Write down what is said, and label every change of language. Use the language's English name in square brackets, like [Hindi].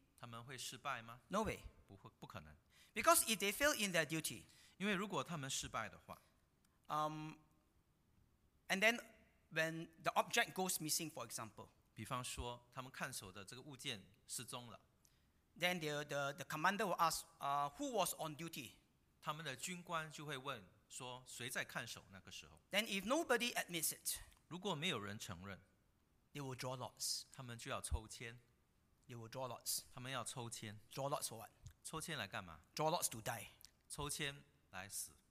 [Chinese] 他们会失败吗？ [English] No way. [Chinese] 不会，不可能。 [English] Because if they fail in their duty, [Chinese] 因为如果他们失败的话, [English] and then when the object goes missing, for example, [Chinese] 比方说他们看守的这个物件失踪了, [English] then the commander will ask, who was on duty? [Chinese] 他们的军官就会问说谁在看守那个时候? [English] Then if nobody admits it, [Chinese] 如果没有人承认, [English] they will draw lots. [Chinese] 他们就要抽签。 [English] They will draw lots. [Chinese] 他们要抽签。 [English] Draw lots for what? [Chinese] 抽签来干嘛? [English] Draw lots to die. [Chinese] 抽签来死。